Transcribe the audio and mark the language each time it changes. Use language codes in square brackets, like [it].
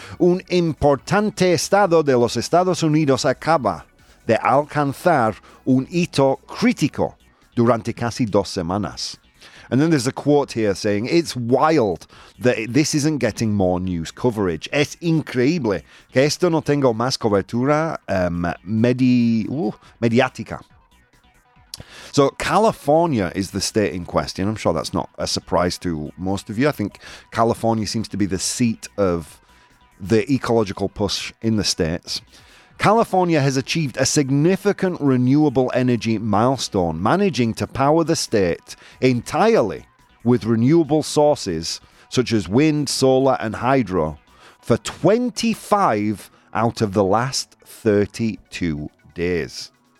[es] Un importante estado de los Estados Unidos acaba de alcanzar un hito crítico durante casi dos semanas. [en] And then there's a quote here saying, it's wild that this isn't getting more news coverage. [es] Es increíble que esto no tenga más cobertura mediática. [en] So California is the state in question. I'm sure that's not a surprise to most of you. I think California seems to be the seat of the ecological push in the states. California has achieved a significant renewable energy milestone, managing to power the state entirely with renewable sources such as wind, solar, and hydro for 25 out of the last 32 days.